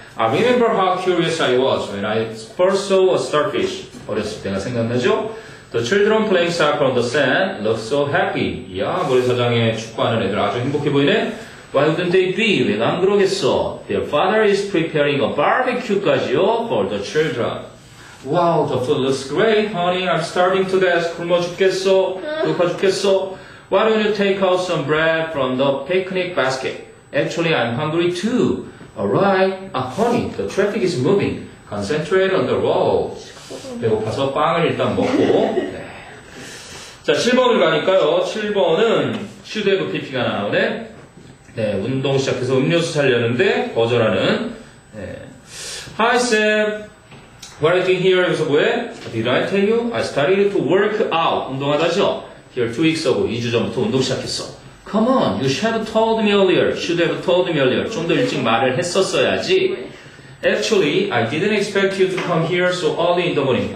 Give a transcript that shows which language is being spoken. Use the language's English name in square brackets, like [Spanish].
[English] I remember how curious I was when I first saw a starfish. [Korean] 어렸을 때가 생각나죠? [English] The children playing soccer on the sand look so happy. [Korean] 야, 모래사장에 축구하는 애들 아주 행복해 보이네. [English] Why wouldn't they be? [Korean] 왜 난 그러겠어? [English] Their father is preparing a barbecue까지요 for the children. Wow, the food looks great, honey. I'm starving to death. [Korean] 굶어 죽겠어. 굶어 죽겠어. [English] Why don't you take out some bread from the picnic basket? Actually, I'm hungry too. Alright. Ah, honey, the traffic is moving. Concentrate on the road. [Korean] 배고파서 빵을 일단 먹고. 자, 7번을 가니까요. 7번은 슈데브 PP가 나오네. 네, 운동 시작해서 음료수 살려는데 거절하는. [English] 네. Hi, Sam. What are you doing here? [Korean] 여기서 뭐해? [English] Did I tell you? I started to work out. [Korean] 운동하다죠? [English] Here 2 weeks ago. [Korean] 2주 전부터 운동 시작했어. [English] Come on. You should have told me earlier. Should have told me earlier. [Korean] 좀 더 일찍 말을 했었어야지. [English] Actually, I didn't expect you to come here so early in the morning.